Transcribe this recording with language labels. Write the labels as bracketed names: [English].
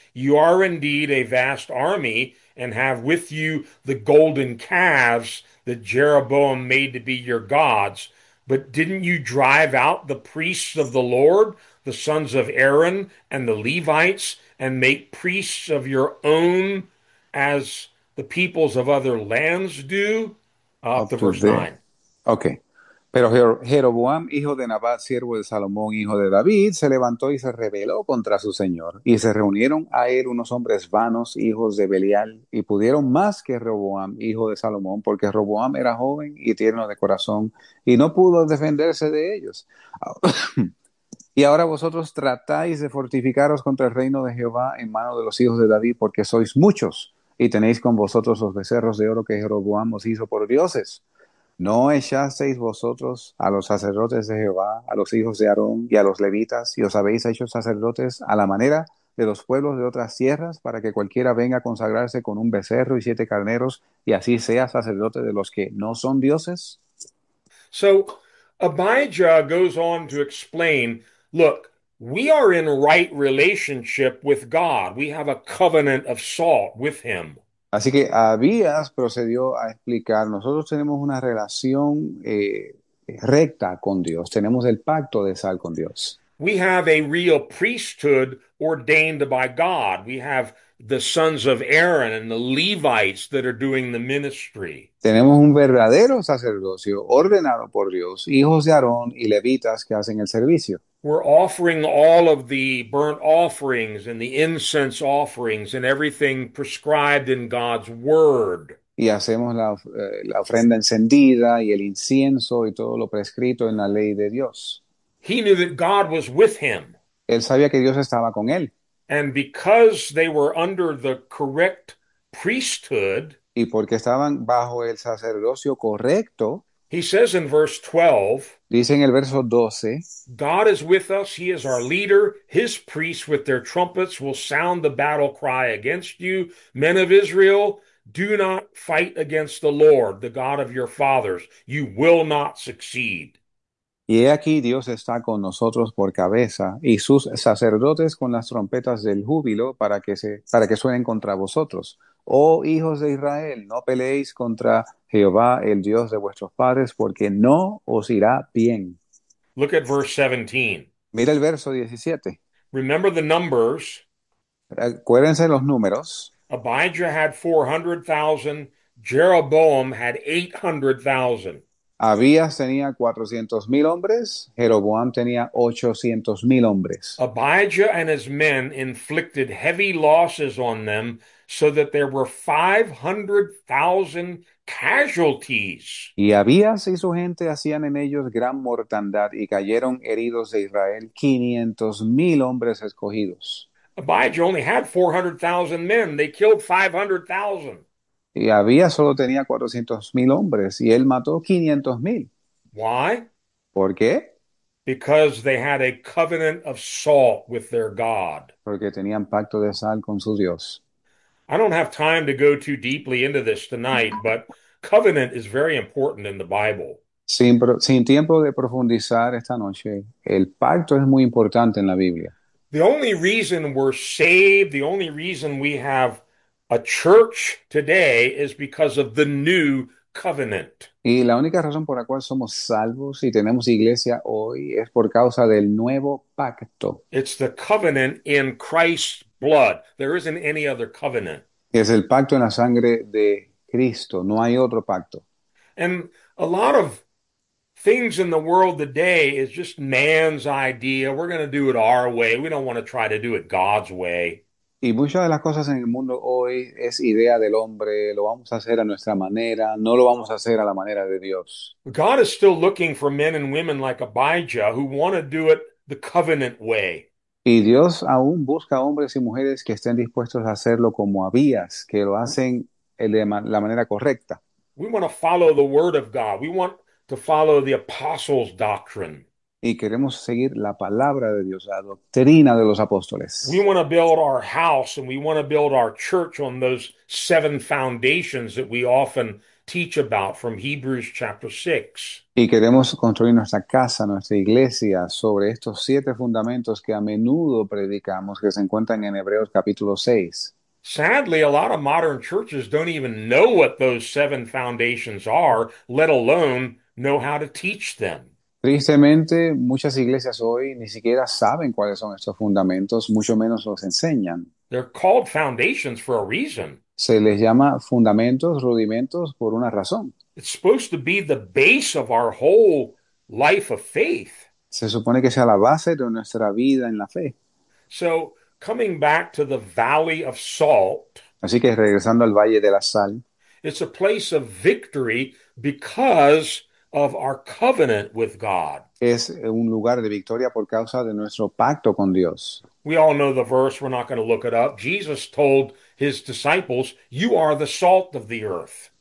[English] You are indeed a vast army and have with you the golden calves that Jeroboam made to be your gods. But didn't you drive out the priests of the Lord, the sons of Aaron and the Levites, and make priests of your own as the peoples of other lands do? Up Up to to verse there. 9. Okay. [Spanish] Pero Jeroboam, hijo de Nabat, siervo de Salomón, hijo de David, se levantó y se rebeló contra su señor. Y se reunieron a él unos hombres vanos, hijos de Belial, y pudieron más que Jeroboam, hijo de Salomón, porque Jeroboam era joven y tierno de corazón, y no pudo defenderse de ellos. Y ahora vosotros tratáis de fortificaros contra el reino de Jehová en mano de los hijos de David, porque sois muchos. Y tenéis con vosotros los becerros de oro que Jeroboam os hizo por dioses. ¿No echasteis vosotros a los sacerdotes de Jehová, a los hijos de Aarón y a los levitas, y os habéis hecho sacerdotes a la manera de los pueblos de otras tierras, para que cualquiera venga a consagrarse con un becerro y siete carneros, y así sea sacerdote de los que no son dioses? [English] So Abijah goes on to explain, look, We are in right relationship with God. We have a covenant of salt with him. [Spanish] Así que Abías procedió a explicar, nosotros tenemos una relación recta con Dios, tenemos el pacto de sal con Dios. [English] We have a real priesthood ordained by God. We have the sons of Aaron and the Levites that are doing the ministry. [Spanish] Tenemos un verdadero sacerdocio ordenado por Dios, hijos de Aarón y levitas que hacen el servicio. [English] We're offering all of the burnt offerings and the incense offerings and everything prescribed in God's word. [Spanish] Y hacemos la ofrenda encendida y el incienso y todo lo prescrito en la ley de Dios. [English] He knew that God was with him. [Spanish] Él sabía que Dios estaba con él. [English] And because they were under the correct priesthood, [Spanish] Y porque estaban bajo el sacerdocio correcto, [English] he says in verse 12, [Spanish] dice en el verso 12, [English] God is with us, he is our leader. His priests with their trumpets will sound the battle cry against you. Men of Israel, do not fight against the Lord, the God of your fathers. You will not succeed. [Spanish] y he aquí Dios está con nosotros por cabeza y sus sacerdotes con las trompetas del júbilo para que suenen contra vosotros. Oh hijos de Israel, no peleéis contra Jehová, el Dios de vuestros padres, porque no os irá bien. [English] Look at verse 17. [Spanish] Mira el verso 17. [English] Remember the numbers. [Spanish] Acuérdense los números. [English] Abijah had 400,000. Jeroboam had 800,000. [Spanish] Abías tenía 400.000 hombres, Jeroboam tenía 800.000 hombres. [English] Abijah and his men inflicted heavy losses on them so that there were 500,000 casualties. [Spanish] Y Abías y su gente hacían en ellos gran mortandad y cayeron heridos de Israel 500.000 hombres escogidos. [English] Abijah only had 400,000 men. They killed 500,000. [Spanish] Y había solo tenía 400.000 hombres y él mató 500.000. [English] Why? [Spanish] ¿Por qué? [English] Because they had a covenant of salt with their God. [Spanish] Porque tenían pacto de sal con su Dios. [English] I don't have time to go too deeply into this tonight, but covenant is very important in the Bible. [Spanish] Sin tiempo de profundizar esta noche, el pacto es muy importante en la Biblia. [English] The only reason we're saved, the only reason we have a church today is because of the new covenant. [Spanish] Y la única razón por la cual somos salvos y tenemos iglesia hoy es por causa del nuevo pacto. [English] It's the covenant in Christ's blood. There isn't any other covenant. [Spanish] Es el pacto en la sangre de Cristo, no hay otro pacto. [English] And a lot of things in the world today is just man's idea. We're going to do it our way. We don't want to try to do it God's way. [Spanish] Y muchas de las cosas en el mundo hoy es idea del hombre, lo vamos a hacer a nuestra manera, no lo vamos a hacer a la manera de Dios. [English] God is still looking for men and women like Abijah who want to do it the covenant way. [Spanish] Y Dios aún busca hombres y mujeres que estén dispuestos a hacerlo como Abías, que lo hacen de la manera correcta. [English] Want to follow the word of God. We want to follow the apostles' doctrine. [Spanish] Y queremos seguir la palabra de Dios, la doctrina de los [English] We [Spanish] apóstoles. [English] want to build our house and we want to build our church on those seven foundations that we often teach about from Hebrews chapter 6. [Spanish] Y queremos construir nuestra casa, nuestra iglesia, sobre estos siete fundamentos que a menudo predicamos, que se encuentran en Hebreos capítulo 6. [English] Sadly, a lot of modern churches don't even know what those seven foundations are, let alone know how to teach them. [Spanish] Tristemente, muchas iglesias hoy ni siquiera saben cuáles son estos fundamentos, mucho menos los enseñan. [English] They're called foundations for a reason. [Spanish] Se les llama fundamentos, rudimentos, por una razón. [English] It's supposed to be the base of our whole life of faith. [Spanish] Se supone que sea la base de nuestra vida en la fe. [English] So, coming back to the Valley of Salt, [Spanish] Así que regresando al Valle de la Sal. [English] it's a place of victory because of our covenant with God. [Spanish] Es un lugar de victoria por causa de nuestro pacto con Dios. [English] We all know the verse, we're not going to look it up. Jesus told his disciples, "You are the salt of the earth."